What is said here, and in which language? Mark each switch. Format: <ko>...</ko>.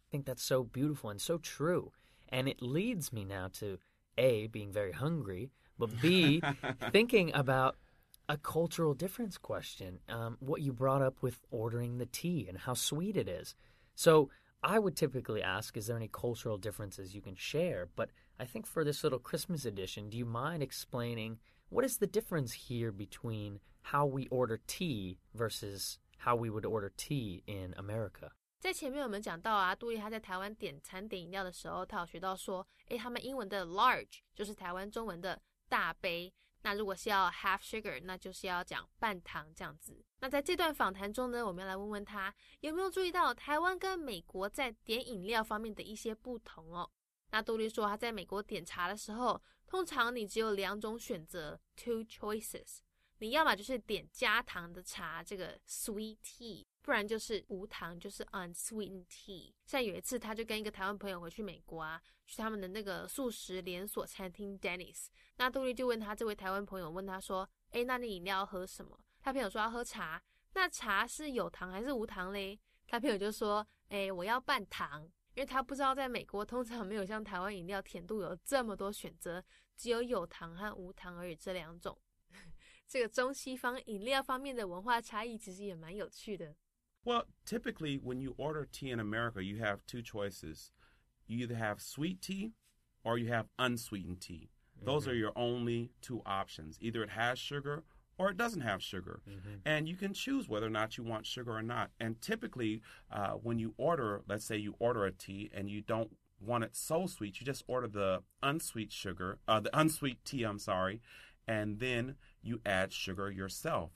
<en>I think that's so beautiful and so true. And it leads me now to, A, being very hungry, but B, thinking about a cultural difference question, what you brought up with ordering the tea and how sweet it is. So I would typically ask, is there any cultural differences you can share? But I think for this little Christmas edition, do you mind explaining what is the difference here between how we order tea versus how we would order tea in America?</en> <zh>在前面我们讲到啊，杜莉她在台湾点餐点饮料的时候，她有学到说，诶，他们英文的 large 就是台湾中文的大杯。那如果是要</zh> <en>half sugar,</en> <zh>那就是要讲半糖这样子。那在这段访谈中呢，我们要来问问他有没有注意到台湾跟美国在点饮料方面的一些不同哦。那杜莉说他在美国点茶的时候，通常你只有两种选择</zh> <en>two choices。</en> <zh>你要嘛就是点加糖的茶，这个</zh> <en>sweet tea,</en> <zh>不然就是无糖，就是</zh> <en>unsweetened tea。</en> <zh>像有一次他就跟一个台湾朋友回去美国啊，去他们的那个素食连锁餐厅 Denny's。那杜莉就问他这位台湾朋友，问他说，诶，那你饮料喝什么？他朋友说要喝茶，那茶是有糖还是无糖嘞？他朋友就说，诶，我要半糖，因为他不知道在美国通常没有像台湾饮料甜度有这么多选择，只有有糖和无糖而已这两种。这个中西方饮料方面的文化差异其实也蛮有趣的。</zh> <en>Well, typically when you order tea in America, you have two choices. You either have sweet tea or you have unsweetened tea. Those are your only two options. Either it has sugar or it doesn't have sugar. And you can choose whether or not you want sugar or not. And typically, when you order, let's say you order a tea and you don't want it so sweet, you just order the unsweet sugar, the unsweet tea, I'm sorry, and then you add sugar yourself.</en>